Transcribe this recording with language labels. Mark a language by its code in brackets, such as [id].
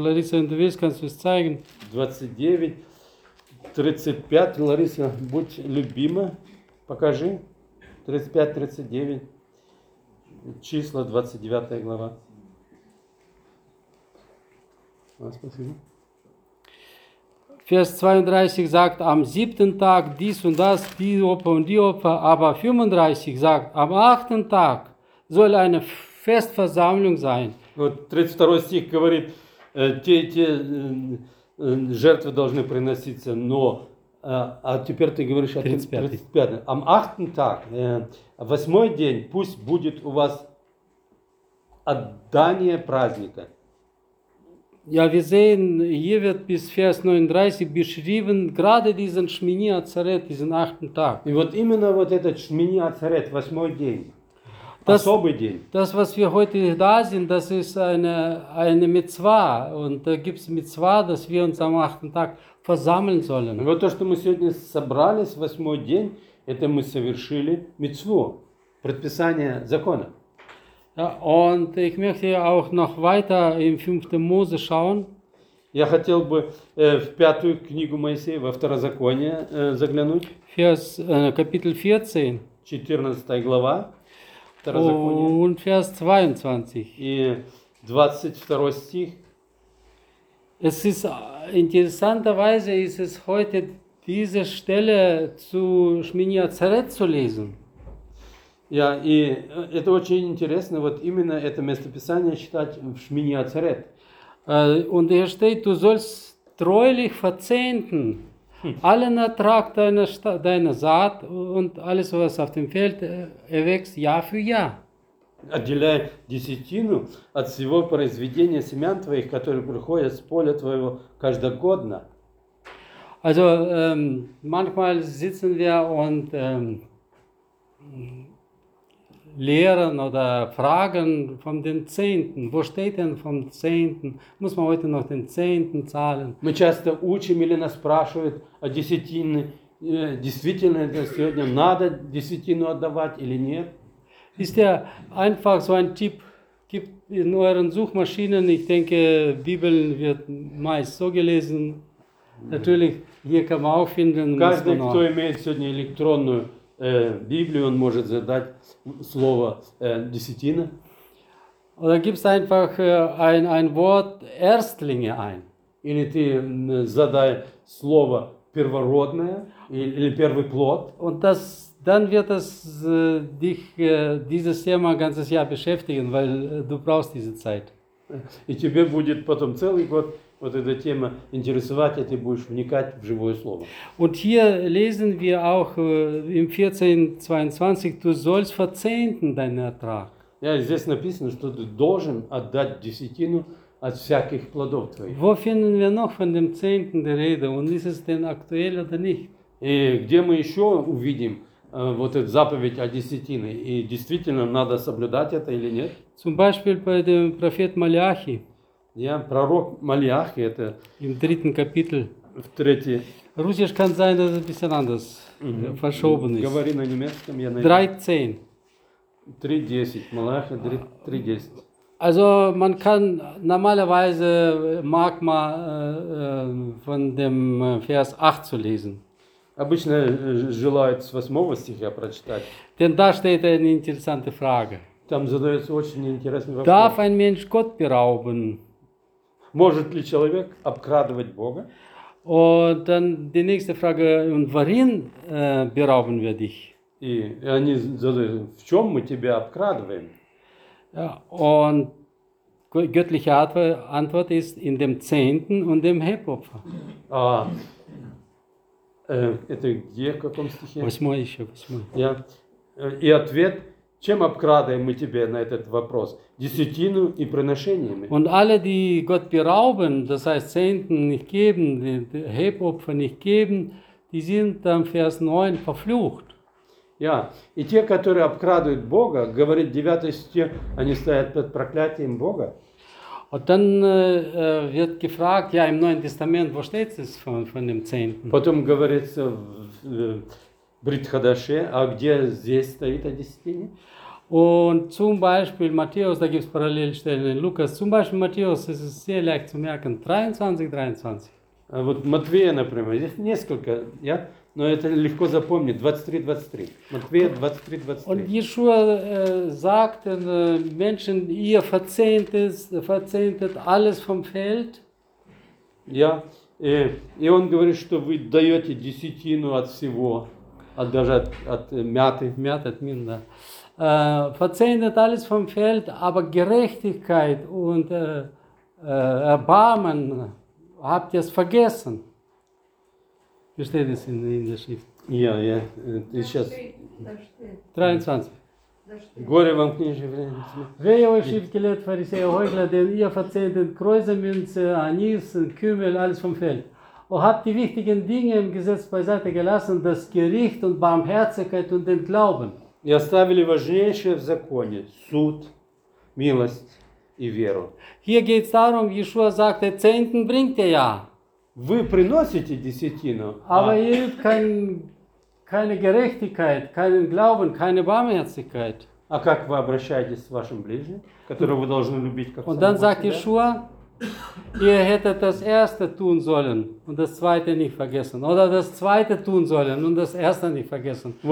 [de] Larissa, wenn du willst, kannst du es zeigen. 29, 35. [ru] Лариса, будь любима, покажи. 35-39. Числа, 29 глава. [de] Vers 32 sagt, am siebten Tag dies und das, die Opfer und die Opfer, aber 35 sagt, am achten Tag soll eine Festversammlung sein. [ru] Вот 32 стих говорит, те жертвы должны приноситься, но, а теперь ты говоришь, 35. [de] Am achten Tag, [ru] восьмой день, пусть будет у вас отдание праздника. [de] Ja, wir sehen, hier wird bis Vers 39 beschrieben, gerade diesen Shmini Atzeret, diesen achten Tag. [ru] И вот именно вот этот Shmini Atzeret, восьмой день, das, особый день. [de] Das, was wir heute da sind, das ist eine Mitzwa. Und da gibt es Mitzwa, dass wir uns am achten Tag versammeln sollen. [ru] И вот то, что мы сегодня собрались, восьмой день, это мы совершили Мицву, предписание закона. [de] Ja, und ich möchte auch noch weiter im 5. Mose schauen. [ru] Я хотел бы в пятую книгу Моисея, во Второзаконие заглянуть. [de] Vers, Kapitel 14. [ru] 14 глава Второзакония. [de] Vers 22. [ru] И 22 стих. [de] Es ist, interessanterweise ist es heute diese Stelle zu Schmini Azaret zu lesen. [ru] Ja, и это очень интересно, вот именно это местописание читать в Шмини Ацарет. [de] Und hier steht, du sollst treulich verzehnten allen Ertrag deiner, deiner Saat und alles, was auf dem Feld erwächst, Jahr für Jahr. [ru] Отделяй десятину от всего произведения семян твоих, которые приходят с поля твоего каждогодно. [de] Also, manchmal sitzen wir und lehren oder fragen von den Zehnten. Wo steht denn vom Zehnten? Muss man heute noch den Zehnten zahlen? [ru] Мы часто учим или нас спрашивают о десятине. Действительно, это сегодня надо десятину отдавать или нет? [de] Ist ja einfach so ein Tipp, gibt in euren Suchmaschinen, ich denke, Bibeln wird meist so gelesen. Natürlich, hier kann man auch finden. [ru] Каждый, кто имеет сегодня электронную Библию, он может задать слово десятина. [de] Oder gibst einfach ein Wort Erstlinge ein. [ru] Или ты задай слово первородное или первый плод. [de] Und das, dann wird das dich dieses Thema ein ganzes Jahr beschäftigen, weil du brauchst diese Zeit. [ru] И тебе будет потом целый год вот эта тема интересовать, и ты будешь вникать в живое слово. [de] Und hier lesen wir auch im 14:22, du sollst verzehnten deinen Ertrag. [ru] Ja, здесь написано, что ты должен отдать десятину от всяких плодов твоих. [de] Wo finden wir noch von dem Zehnten die Rede? Und ist es denn aktuell oder nicht? [ru] И где мы еще увидим вот эту заповедь о десятине? И действительно, надо соблюдать это или нет? [de] Zum Beispiel bei dem Prophet Malachi. [ru] Ja, пророк Малиахи, это... [de] Im dritten Kapitel. [ru] В третьей. [de] Russisch kann sein, dass es ein bisschen anders verschoben ist. [ru] Говори на немецком, я найду. 3:10. 3:10, Малиахи, 3:10. [de] Also man kann normalerweise mag man von dem Vers 8 zu lesen. [ru] Обычно желают с 8 стиха прочитать. [de] Denn da steht eine interessante Frage. [ru] Там задается очень интересный вопрос. [de] Darf ein Mensch Gott berauben? [ru] Может ли человек обкрадывать Бога? [de] Und dann die nächste Frage, und worin berauben wir dich? [ru] И они задают, в чем мы тебя обкрадываем? [de] Ja, und göttliche Antwort ist in dem Zehnten und dem Heilopfer. [ru] Это где, в каком стихе? Восьмой еще, восьмой. [de] Ja. [ru] И ответ, чем обкрадываем мы тебе на этот вопрос? Десятину и приношениями. [de] Und alle, die Gott berauben, das heißt Zehnten nicht geben, die Heilopfer nicht geben, die sind am Vers 9 verflucht. [ru] Ja, и те, которые обкрадывают Бога, говорит 9 стих, они стоят под проклятием Бога. [de] Und dann wird gefragt, ja, im Neuen Testament, wo steht es von dem Zehnten? [ru] Потом говорится в Брит-Хадаше, а где здесь стоит о десятине? [de] Und zum Beispiel Matthäus, da gibt es Parallelstellen in Lukas, zum Beispiel Matthäus, es ist sehr leicht zu merken, 23:23. [ru] А вот Матвея, например, здесь несколько, ja? Но это легко запомнить. 23:23. Матфея 23:23. [de] Und Yeshua sagt den Menschen, ihr verzehntet alles vom Feld. [ru] Ja, и он говорит, что вы даете десятину от всего, от даже от мяты. Мята, от мин, да. [de] Verzehntet alles vom Feld, aber Gerechtigkeit und Erbarmen habt ihr es vergessen. Wie steht es in der Schrift? Ja, ja. [ru] Сейчас... [de] 23. [ru] Горе вам, книжи времени. [de] Wehe euch, Schriftgelehrt, Pharisäer, Heuchler, denn ihr verzehntet Kräusermünze, Anis, Kümmel, alles vom Feld. Und habt die wichtigen Dinge im Gesetz beiseite gelassen, das Gericht und Barmherzigkeit und den Glauben. [ru] И оставили важнейшее в законе – суд, милость и веру. [de] Hier geht's darum, Yeshua sagt, der Zehnten bringt er ja. [ru] Вы приносите десятину. [de] Aber ihr habt keine Gerechtigkeit, keinen Glauben, keine Barmherzigkeit. [ru] А как вы обращаетесь с вашим ближним, которого вы должны любить как самого себя? [de] Und dann sagt Yeshua, Ihr hättet das Erste tun sollen und das Zweite nicht vergessen. Oder das Zweite tun sollen und das Erste nicht vergessen.